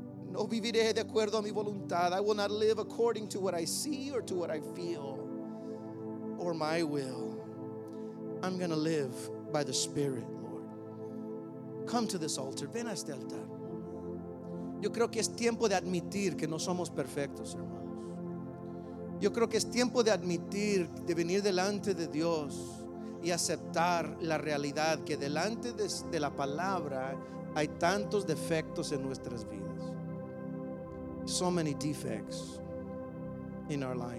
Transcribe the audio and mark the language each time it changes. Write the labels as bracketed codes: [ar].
[es] No viviré de acuerdo a mi voluntad. [en] I will not live according to what I see or to what I feel or my will. I'm going to live by the Spirit, Lord. Come to this altar. [es] Ven a este altar. Yo creo que es tiempo de admitir que no somos perfectos, hermano. Yo creo que es tiempo de admitir, de venir delante de Dios y aceptar la realidad que delante de la palabra hay tantos defectos en nuestras vidas. [en] So many defects in our lives.